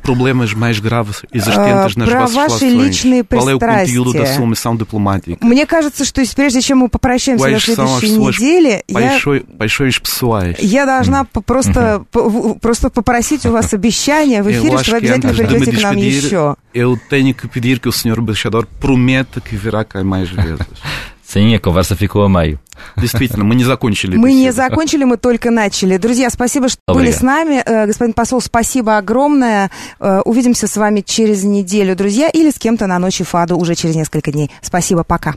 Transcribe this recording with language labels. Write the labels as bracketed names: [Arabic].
[Russian] проблемы [Portuguese] mais graves existentes nas [Russian] про ваши личные пристрастия. Мне кажется, что прежде чем мы попрощаемся на следующей неделе, я должна просто попросить у вас обещание в эфире, что вы обязательно придете к нам еще. [Portuguese] Eu tenho que pedir que o senhor embaixador prometa que virá cá mais vezes. Sim, a conversa ficou a meio. [Russian] Действительно, мы не закончили. Мы не закончили, мы только начали. Друзья, спасибо, что были с нами. Господин посол, спасибо огромное. Увидимся с вами через неделю, друзья, или с кем-то на ночи ФАДУ уже через несколько дней. Спасибо, пока.